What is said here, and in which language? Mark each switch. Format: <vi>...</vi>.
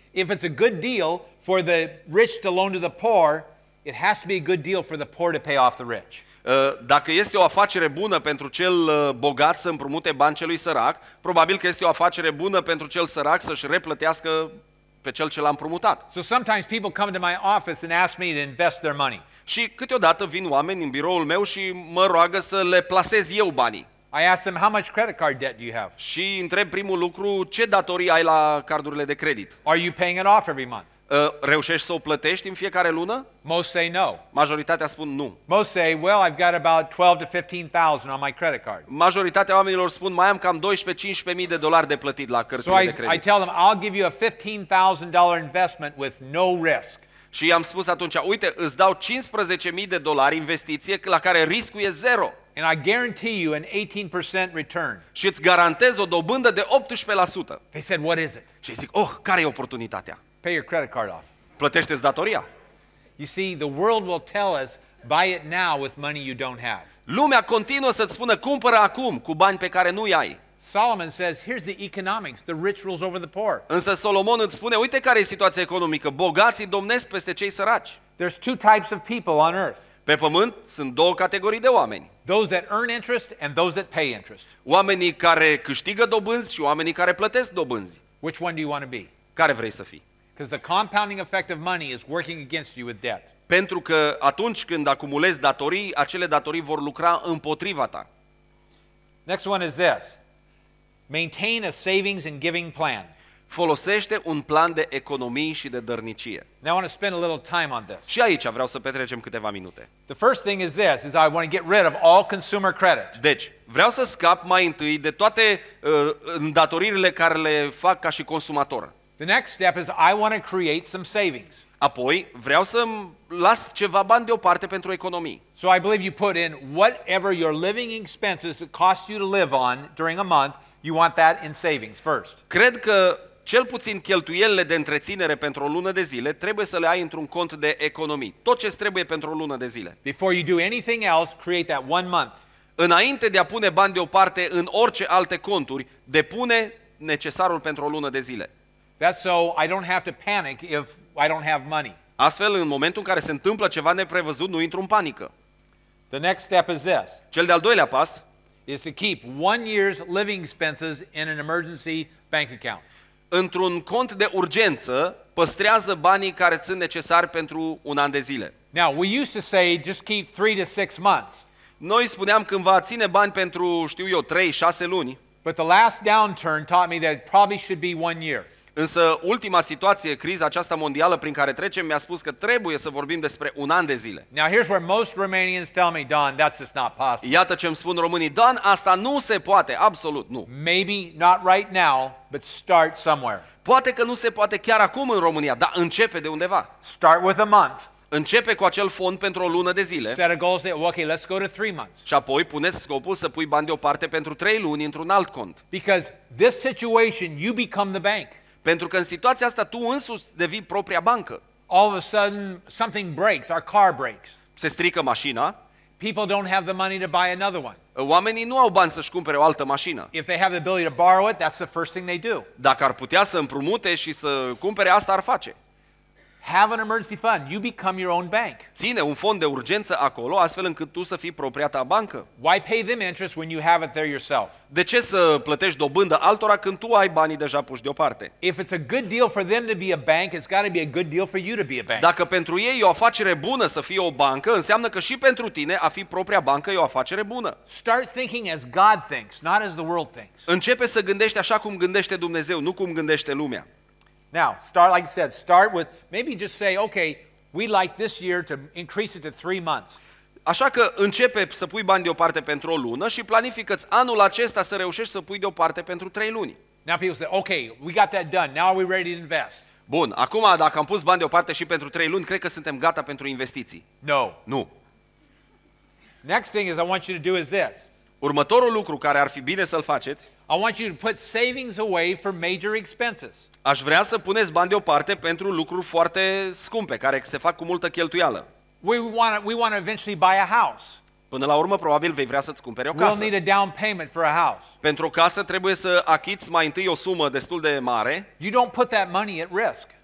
<en>If it's a good deal for the rich to loan to the poor, it has to be a good deal for the poor to pay off the rich.</en> <ro>Dacă este o afacere bună pentru cel bogat să împrumute bani celui sărac, probabil că este o afacere bună pentru cel sărac să-și replătească pe cel ce l-a împrumutat.</ro> <en>So sometimes people come to my office and ask me to invest their money.</en> <ro>Și câteodată vin oameni în biroul meu și mă roagă să le plasez eu banii.</ro> <en>I ask them how much credit card debt do you have?</en> <ro>Și întreb primul lucru, ce datorii ai la cardurile de credit?</ro> <en>Are you paying it off every month?</en> <ro>Reușești să o plătești în fiecare lună?</ro> <en>Most say no.</en> <ro>Majoritatea spun nu.</ro> <en>Most say, well, I've got about 12,000 to 15,000 on my credit card.</en> <ro>Majoritatea oamenilor spun, mai am cam 12-15,000 de dolari de plătit la cărțile de credit.</ro> <en>So I tell them, I'll give you a $15,000 investment with no risk.</en> <ro>Și am spus atunci, uite, îți dau 15,000 de dolari investiție la care riscul e zero.</ro> <en>And I guarantee you an 18% return.</en> <ro>Și îți garantez o dobândă de 18%.</ro> <en>They said, what is it?</en> <ro>Și zic, oh, care e oportunitatea?</ro> <en>Pay your credit card off.</en> <ro>Plătește-ți datoria.</ro> <en>You see, the world will tell us, buy it now with money you don't have.</en> <ro>Lumea continuă să-ți spună, cumpără acum cu bani pe care nu-i ai.</ro> <en>Solomon says, here's the economics, the rich rules over the poor.</en> <ro>Însă Solomon îți spune, uite care e situația economică, bogații domnesc peste cei săraci.</ro> <en>There's two types of people on earth.</en> <ro>Pe pământ sunt două categorii de oameni.</ro> <en>Those that earn interest and those that pay interest.</en> <ro>Oamenii care câștigă dobânzi și oamenii care plătesc dobânzi.</ro> <en>Which one do you want to be?</en> <ro>Care vrei să fii?</ro> <en>Because the compounding effect of money is working against you with debt.</en> <ro>Pentru că atunci când acumulezi datorii, acele datorii vor lucra împotriva ta.</ro> <en>Next one is this. Maintain a savings and giving plan.</en> <ro>Folosește un plan de economii și de dărnicie.</ro> <en>Now I want to spend a little time on this.</en> <ro>Și aici vreau să petrecem câteva minute.</ro> <en>The first thing is this, is I want to get rid of all consumer credit.</en> <ro>Deci, vreau să scap mai întâi de toate îndatoririle care le fac ca și consumator.</ro> <en>The next step is I want to create some savings.</en> <ro>Apoi, vreau să las ceva bani deoparte pentru economii.</ro> <en>So I believe you put in whatever your living expenses that cost you to live on during a month, you want that in savings first.</en> <ro>Cred că cel puțin cheltuielile de întreținere pentru o lună de zile trebuie să le ai într-un cont de economii. Tot ce trebuie pentru o lună de zile.</ro> <en>Before you do anything else, create that one month.</en> <ro>Înainte de a pune bani deoparte în orice alte conturi, depune necesarul pentru o lună de zile.</ro> <en>That's so I don't have to panic if I don't have money.</en> <ro>Astfel, în momentul în care se întâmplă ceva neprevăzut, nu intru în panică.</ro> <en>The next step is this.</en> <ro>Cel de-al doilea pas</ro> <en>is to keep one year's living expenses in an emergency bank account.</en> <ro>Într-un cont de urgență, păstrează banii care sunt necesari pentru un an de zile.</ro> <en>Now, we used to say just keep 3 to 6 months.</en> <ro>Noi spuneam cândva ține bani pentru, știu eu, 3-6 luni.</ro> <en>But the last downturn taught me that it probably should be one year.</en> <ro>Însă ultima situație, criza aceasta mondială prin care trecem, mi-a spus că trebuie să vorbim despre un an de zile.</ro> <en>Now here's where most Romanians tell me, Don, that's just not possible.</en> <ro>Iată ce îmi spun românii, Don, asta nu se poate, absolut nu.</ro> <en>Maybe not right now, but start somewhere.</en> <ro>Poate că nu se poate chiar acum în România, dar începe de undeva.</ro> <en>Start with a month.</en> <ro>Începe cu acel fond pentru o lună de zile.</ro> <en>Set a goal, say, okay, let's go to 3 months.</en> <ro>Și apoi puneți scopul să pui bani deoparte pentru 3 luni într-un alt cont.</ro> <en>Because this situation, you become the bank.</en> <ro>Pentru că în situația asta tu însuți devii propria bancă.</ro> <en>All of a sudden something breaks, our car breaks.</en> <ro>Se strică mașina.</ro> <en>People don't have the money to buy another one.</en> <ro>Oamenii nu au bani să-și cumpere o altă mașină.</ro> <en>If they have the ability to borrow it, that's the first thing they do.</en> <ro>Dacă ar putea să împrumute și să cumpere, asta ar face.</ro> <en>Have an emergency fund, you become your own bank.</en> <ro>Ține un fond de urgență acolo, astfel încât tu să fii propria ta bancă.</ro> <en>Why pay them interest when you have it there yourself?</en> <ro>De ce să plătești dobândă altora când tu ai banii deja puși deoparte?</ro> <en>If it's a good deal for them to be a bank, it's got to be a good deal for you to be a bank.</en> <ro>Dacă pentru ei e o afacere bună să fie o bancă, înseamnă că și pentru tine a fi propria bancă e o afacere bună.</ro> <en>Start thinking as God thinks, not as the world thinks.</en> <ro>Începe să gândești așa cum gândește Dumnezeu, nu cum gândește lumea.</ro> <en>Now, start like I said, start with maybe just say, okay, we like this year to increase it to 3 months.</en> <ro>Așa că începe să pui bani deoparte pentru o lună și planifică-ți anul acesta să reușești să pui deoparte pentru 3 luni.</ro> <en>Now people say, okay, we got that done. Now are we ready to invest?</en> <ro>Bun, acum dacă am pus bani deoparte și pentru 3 luni, cred că suntem gata pentru investiții.</ro> <en>No.</en> <ro>Nu.</ro> <en>Next thing is I want you to do is this.</en> <ro>Următorul lucru care ar fi bine să-l faceți.</ro> <en>I want you to put savings away for major expenses.</en> <ro>Aș vrea să puneți bani deoparte pentru lucruri foarte scumpe, care se fac cu multă cheltuială.</ro> <en>We want to eventually buy a house.</en> <ro>Până la urmă, probabil vei vrea să-ți cumperi o casă.</ro> <en>We'll need a down payment for a house.</en> <ro>Pentru o casă trebuie să achiți mai întâi o sumă destul de mare.</ro> <en>You don't put that money at risk.</en>